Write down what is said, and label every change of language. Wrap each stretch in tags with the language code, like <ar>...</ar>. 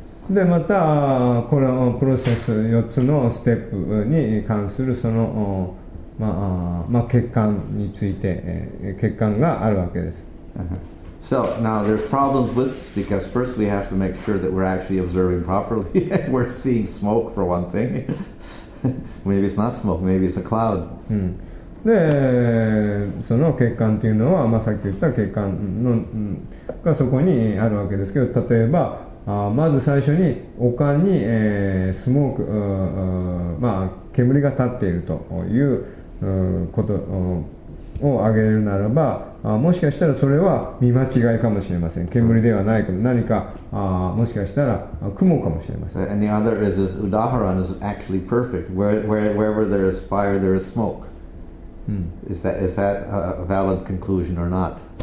<ja>でまたこのプロセス4つのステップに関するその、まあまあ、欠陥について欠陥があるわけです。</ja> <en>So now there's problems with this because first we have to make sure that we're actually observing properly. We're seeing smoke for one thing. Maybe it's not smoke. Maybe it's a cloud.</en> <ja>でその欠陥というのは、まあ、さっき言った欠陥のがそこにあるわけですけど例えばまず最初に丘に、スモークまあ煙が立っているという、ことを挙げるならばもしかしたらそれは見間違いかもしれません煙ではないけど何かもしかしたら雲かもしれません</ja> <en>And the other is this Udaharan is actually perfect wherever there is fire there is smokeIs that a valid conclusion or not?</en>